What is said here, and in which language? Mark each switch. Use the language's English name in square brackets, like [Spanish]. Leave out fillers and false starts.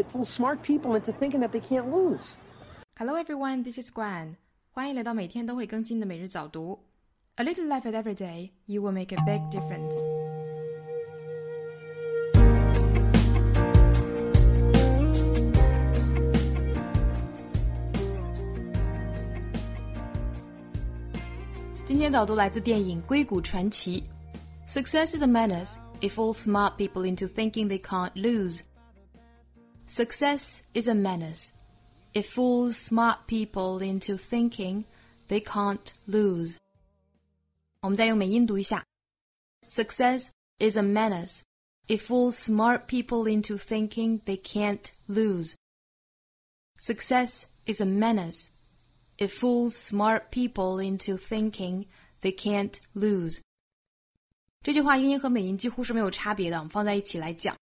[English] It fools smart people into thinking that they can't lose. Hello everyone, this is Gwen. [Chinese] 欢迎来到每天都会更新的每日早读。 [English] A little effort every day, you will make a big difference. Today's [Chinese] 早读来自电影《硅谷传奇》。 [English] Success is a menace. It fools smart people into thinking they can't lose. Success is a menace. It fools smart people into thinking they can't lose. [Chinese] 我们再用美音读一下。 [English] Success is a menace. It fools smart people into thinking they can't lose. Success is a menace. It fools smart people into thinking they can't lose. [Chinese] 这句话英音和美音几乎是没有差别的，我们放在一起来讲。